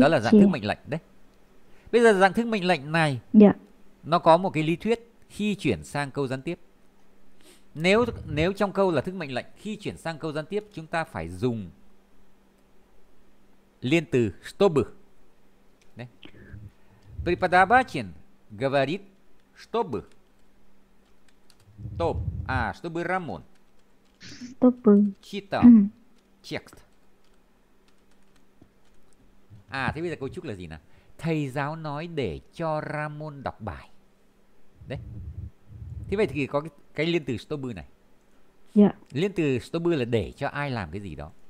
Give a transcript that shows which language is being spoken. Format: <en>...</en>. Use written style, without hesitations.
<vi>Đó là dạng thức mệnh lệnh đấy. Bây giờ dạng thức mệnh lệnh này nó có một cái lý thuyết khi chuyển sang câu gián tiếp. Nếu nếu trong câu là thức mệnh lệnh, khi chuyển sang câu gián tiếp chúng ta phải dùng liên từ чтобы. Đấy.</vi> <ru>Преподаватель говорит чтобы. Топ. Чтобы Рамон читал текст.</ru> <vi>Thế bây giờ cấu trúc là gì nào? Thầy giáo nói để cho Ramon đọc bài. Đấy. Thế vậy thì có cái liên từ stop này. Liên từ stop là để cho ai làm cái gì đó.</vi>